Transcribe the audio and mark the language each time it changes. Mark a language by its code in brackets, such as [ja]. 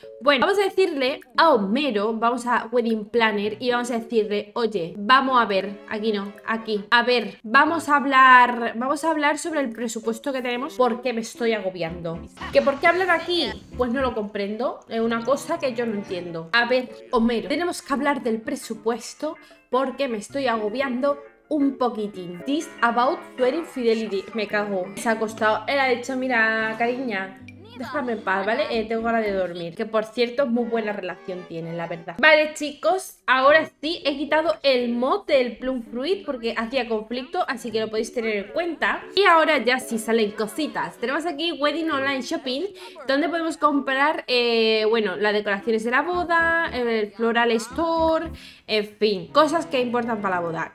[es] Bueno, vamos a decirle a Homero, vamos a Wedding Planner y vamos a decirle: oye, vamos a ver, aquí no, aquí, a ver, vamos a hablar sobre el presupuesto que tenemos, porque me estoy agobiando. ¿Que por qué hablar aquí? Pues no lo comprendo, es una cosa que yo no entiendo. A ver, Homero, tenemos que hablar del presupuesto porque me estoy agobiando un poquitín. [en] This about your infidelity, [es] me cago. Se ha acostado, él ha dicho: mira, cariña, déjame en paz, ¿vale? Tengo ganas de dormir. Que por cierto, muy buena relación tienen, la verdad. Vale, chicos, ahora sí he quitado el mod del Plum Fruit porque hacía conflicto, así que lo podéis tener en cuenta. Y ahora ya sí salen cositas. Tenemos aquí Wedding Online Shopping, donde podemos comprar, bueno, las decoraciones de la boda, el Floral Store, en fin, cosas que importan para la boda.